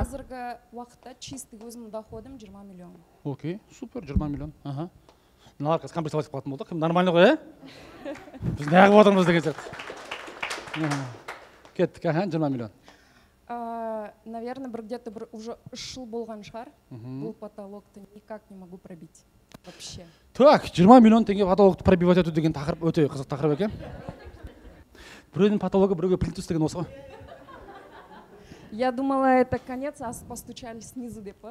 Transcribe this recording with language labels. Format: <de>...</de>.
<kk>Қазіргі уақытта чистый өзімнің доходым 20 миллион. Окей, супер, 20 миллион. Аха. Мыналар қазір компенсация алып қалатын болдық. Нормально ғой, ә? Біз неғып отырмыз деген сияқты. Кеттік, аха, 20 миллион.</kk> <ru>Наверное, где-то уже шел</ru> <kk>болған шығар. Бұл потолокты</kk> <ru>никак не могу пробить. Вообще.</ru> <kk>Так, 20 миллион теңге потолокты пробивать ету деген тақырып, өте қызық тақырып екен. Біреудің потологы біреуге плинтус деген осы.</kk> <ru>Я думала, это конец, а постучали снизу</ru> <kk>деп.</kk>